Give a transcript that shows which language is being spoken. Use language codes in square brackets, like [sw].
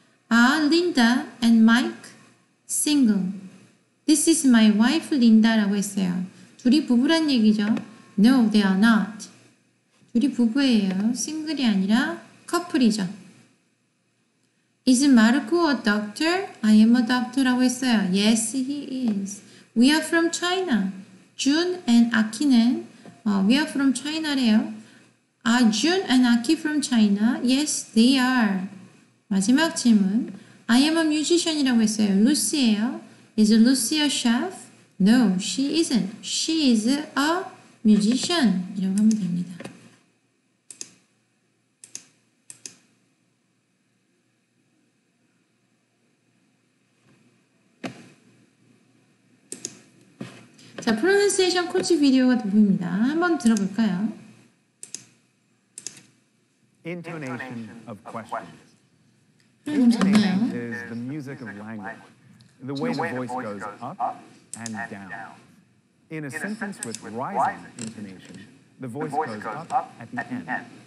[en] Are Linda and Mike single? This is my wife, Linda, [ko] 라고 했어요. 둘이 부부란 얘기죠. [en] No, they are not. [ko] 둘이 부부예요. 싱글이 아니라 커플이죠. [en] Is Marco a doctor? I am a doctor, 라고 했어요. Yes, he is. We are from China. June and Aki는 we are from China래요. Are June and Aki from China? Yes, they are. [ko] 마지막 질문. [en] I am a musician [ko] 이라고 했어요. [en] Lucy예요. Is Lucy a chef? No, she isn't. She is a musician. [ko] 이라고 하면 됩니다. 자, pronunciation coach 비디오가 돋보입니다. 한번 들어볼까요? [en] Intonation of questions. Intonation is the music of language. The way the voice goes up and down. In a sentence with rising intonation, the voice goes up at the end.